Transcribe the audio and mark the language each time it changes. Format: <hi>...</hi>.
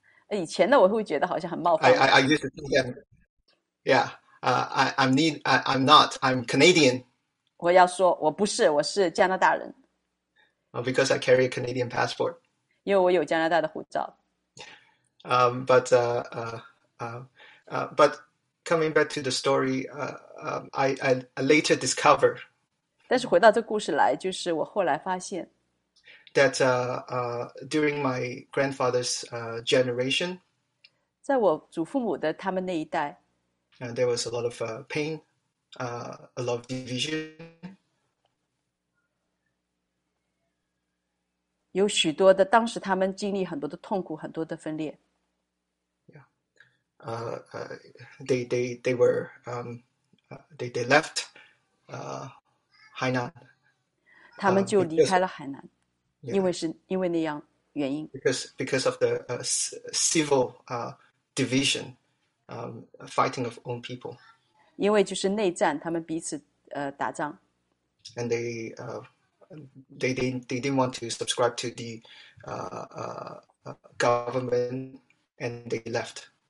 <zh>以前呢，我会觉得好像很冒犯。</zh> <en>I used to think, I'm need, I'm not, I'm Canadian.</en> <zh>我要说，我不是，我是加拿大人。</zh> <en>Because I carry a Canadian passport.</en> <zh>因为我有加拿大的护照。</zh> <en>But coming back to the story, I later discovered</en> <zh>但是回到这故事来，就是我后来发现</zh> <en>that during my grandfather's generation,</en> <zh>在我祖父母的他们那一代,</zh> <en>there was a lot of pain, a lot of division.</en> <zh>有许多的，当时他们经历很多的痛苦，很多的分裂。</zh> <en>They were they left Hainan.</en> <zh>他们就离开了海南,</zh> <en>because,</en> <zh>因为那样原因.</zh> <en>Because of the civil division, fighting of own people.</en> <zh>因为就是内战, 他们彼此, 打仗.</zh> <en>And they didn't want to subscribe to the government, and they left.</en>